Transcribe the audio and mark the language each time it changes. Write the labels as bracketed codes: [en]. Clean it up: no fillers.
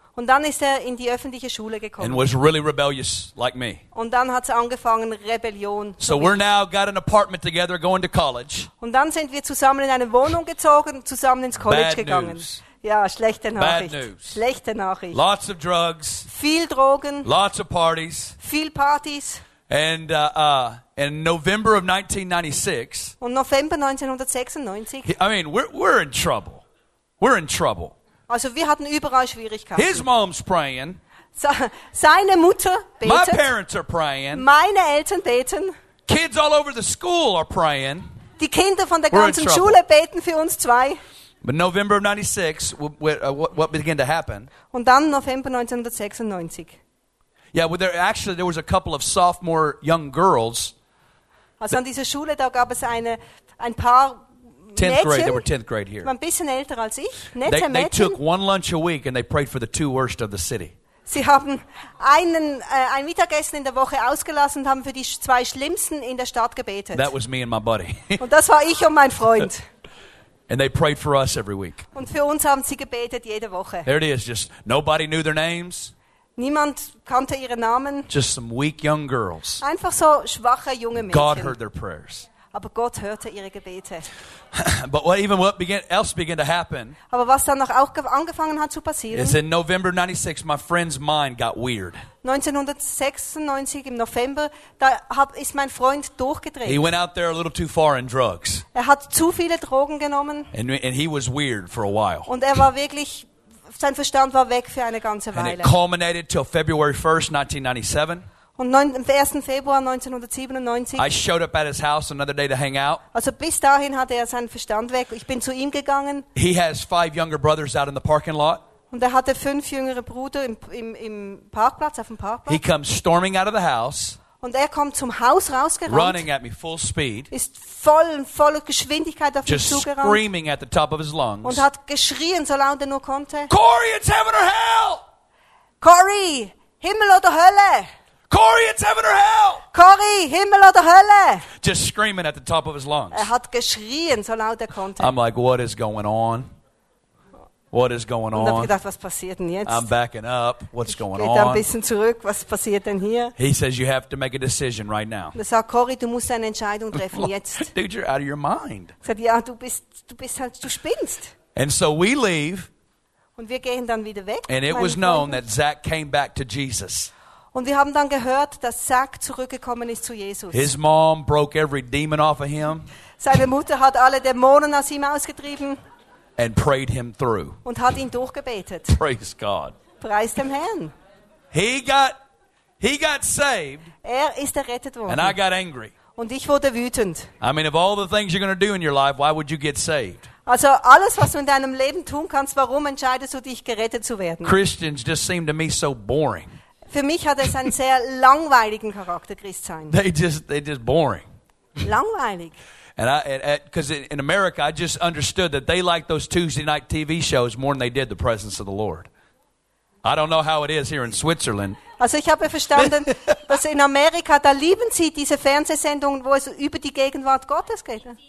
[de] Und dann ist in die öffentliche Schule gekommen. [en] And was really rebellious like me. [de] Und dann hat's angefangen Rebellion. [en] So we're now got an apartment together going to college. [de] Und dann sind wir zusammen in eine Wohnung gezogen, zusammen ins College gegangen. Ja, schlechte Nachricht. [en] Bad news. [de] Schlechte Nachricht. [en] Lots of drugs. [de] Viel Drogen. [en] Lots of parties. [de] Viel Partys. [en] And in November of 1996. [de] Und November 1996. [en] I mean, we're in trouble. We're in trouble. [de] Also wir hatten überall Schwierigkeiten. [en] His mom's praying. [de] Seine Mutter betet. [en] My parents are praying. [de] Meine Eltern beten. [en] Kids all over the school are praying. [de] Die Kinder von der ganzen Schule beten für uns zwei. [en] But November of 96, what began to happen? [de] Und dann November 1996. [en] Yeah, well, there was a couple of sophomore young girls. [de] Also an dieser Schule, da gab es ein paar [en] 10th [de] Mädchen, [en] grade, they were 10th grade here. [de] Ein bisschen älter als ich, [en] they took one lunch a week and they prayed for the two worst of the city. [de] Sie haben ein Mittagessen in der Woche ausgelassen und haben für die zwei Schlimmsten in der Stadt gebetet. [en] That was me and my buddy. [de] Und das war ich und mein Freund. [en] And they prayed for us every week. [de] Und für uns haben sie gebetet jede Woche. [en] There it is, just nobody knew their names. [de] Niemand kannte ihre Namen. [en] Just some weak young girls. [de] Einfach so schwache junge Mädchen. [en] God heard their prayers. [de] Aber Gott hörte ihre Gebete. [en] But what else began to happen? [de] Aber was dann noch auch angefangen hat zu passieren? [en] Is in November 96 my friend's mind got weird. [de] 1996 im November, da ist mein Freund durchgedreht. [en] He went out there a little too far in drugs. [de] Er hat zu viele Drogen genommen. [en] And he was weird for a while. [de] Und er war wirklich sein Verstand war weg für eine ganze Weile. [en] And it culminated till February 1st, 1997. [de] Und am 1. Februar 1997 [en] I showed up at his house another day to hang out. [de] Also bis dahin hatte seinen Verstand weg. Ich bin zu ihm gegangen. [en] He has five younger brothers out in the parking lot. [de] Und hatte fünf jüngere Brüder im Parkplatz, auf dem Parkplatz. [en] He comes storming out of the house. [de] Und kommt zum Haus rausgerannt. [en] Running at me full speed. [de] Ist voller Geschwindigkeit auf mich zugerannt. [en] Just screaming at the top of his lungs. [de] Und geschrien, so laut er nur konnte. [en] Corey, it's heaven or hell! [de] Corey, Himmel oder Hölle! [en] Corey! Corey, it's heaven or hell. [de] Corey, Himmel oder Hölle. [en] Just screaming at the top of his lungs. [de] Er hat geschrien, so laut er konnte. [en] I'm like, what is going on? What is going [de] Und [en] on? [de] Hab gedacht, was passiert denn jetzt? [en] I'm backing up. What's going [de] Geht [en] on? [de] Ein bisschen zurück. Was passiert denn hier? [en] He says, you have to make a decision right now. [de] Er sagt, Corey, du musst eine Entscheidung treffen jetzt. [en] Dude, you're out of your mind. [de] Er sagt, ja, du bist halt, du spinnst. [en] And so we leave. [de] Und wir gehen dann wieder weg. [en] And it was known that Zach came back to Jesus. [de] Und wir haben dann gehört, dass Zach zurückgekommen ist zu Jesus. [en] His mom broke every demon off of him. [de] Seine Mutter hat alle Dämonen aus ihm ausgetrieben. [en] And prayed him through. [de] Und hat ihn durchgebetet. [en] Praise God. [de] Preist dem Herrn. [en] He got saved. [de] Er ist errettet worden. [en] And I got angry. [de] Und ich wurde wütend. [en] I mean, of all the things you're going to do in your life, why would you get saved? [de] Also alles, was du in deinem Leben tun kannst, warum entscheidest du dich, gerettet zu werden? [en] Christians just seem to me so boring. [de] Für mich hat es einen sehr langweiligen Charakter, Christ sein. [en] They just boring. [de] Langweilig. [en] And I, because in America, I just understood that they like those Tuesday night TV shows more than they did the presence of the Lord. I don't know how it is here in Switzerland. [de] Also, ich habe verstanden, dass in Amerika da lieben sie diese Fernsehsendungen, wo es über die Gegenwart Gottes geht.